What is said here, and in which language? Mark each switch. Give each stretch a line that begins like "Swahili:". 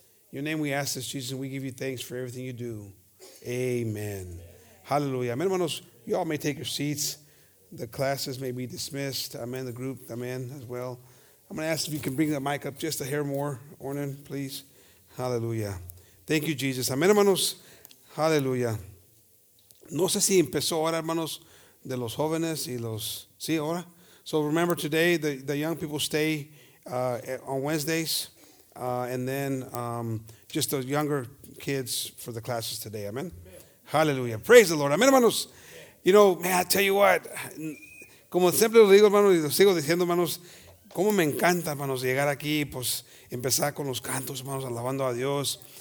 English: In your name we ask this, Jesus, and we give you thanks for everything you do. Amen. Hallelujah. Amen. You all may take your seats. The classes may be dismissed. Amen. The group, amen, as well. I'm going to ask if you can bring the mic up just a hair more, Ornan, please. Hallelujah. Thank you, Jesus. Amen, hermanos. Hallelujah.
Spanish: No sé si empezó ahora, hermanos, de los jóvenes y los... ¿Sí, ahora?
English: So remember today, the young people stay on Wednesdays, and then just the younger kids for the classes today.
Spanish: Amen. Hallelujah. Praise the Lord. Amen, hermanos.
English: You know, man, I tell you what,
Spanish: como siempre lo digo, hermanos, y lo sigo diciendo, hermanos, como me encanta, hermanos, llegar aquí, pues, empezar con los cantos, hermanos, alabando a Dios.